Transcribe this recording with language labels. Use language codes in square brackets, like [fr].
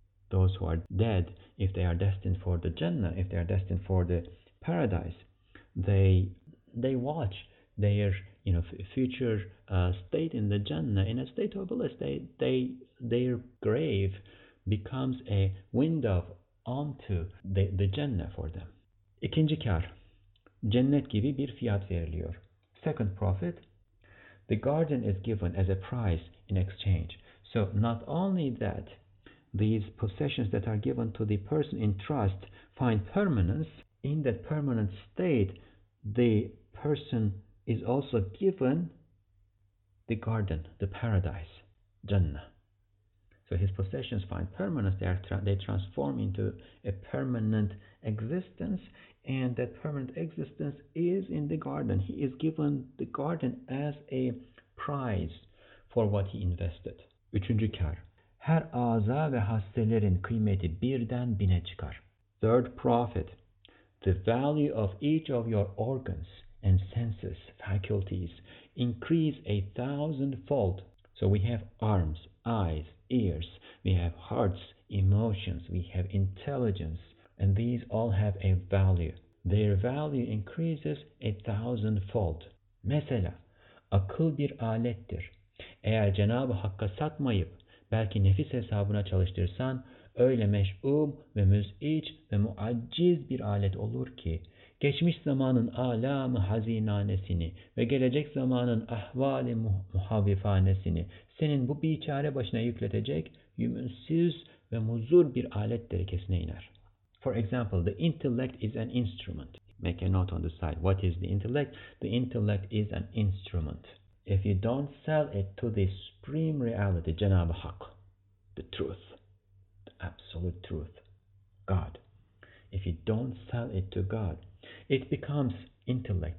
[en] Those who are dead, if they are destined for the Jannah, if they are destined for the paradise, they watch their, you know, future state in the Jannah, in a state of bliss. Their grave becomes a window onto the Jannah for them. [tr] İkinci kar, cennet gibi bir fiyat veriliyor. [en] Second profit, the garden is given as a price in exchange. So not only that, these possessions that are given to the person in trust find permanence, in that permanent state, the person is also given the garden, the paradise, Jannah. So his possessions find permanence, they transform into a permanent existence, and that permanent existence is in the garden. He is given the garden as a prize for what he invested. [tr] Üçüncü kar. Her aza ve hastelerin kıymeti birden bine çıkar. [en] Third profit. The value of each of your organs and senses, faculties, increase a thousandfold. So we have arms, eyes, ears, we have hearts, emotions, we have intelligence, and these all have a value. Their value increases a thousandfold. [tr] Mesela, akıl bir alettir. Eğer Cenab-ı Hakk'a satmayıp, belki nefis hesabına çalıştırsan, öyle meş'um ve müz'iç ve muacciz bir alet olur ki, geçmiş zamanın âlâm-ı hazinanesini ve gelecek zamanın ahval-i muhavvifanesini senin bu biçare başına yükletecek yümünsüz ve muzur bir alet derecesine iner. [en] For example, the intellect is an instrument. Make a note on the side. What is the intellect? The intellect is an instrument. If you don't sell it to the supreme reality, Cenab-ı Hak, the truth, the absolute truth, God, if you don't sell it to God, it becomes intellect.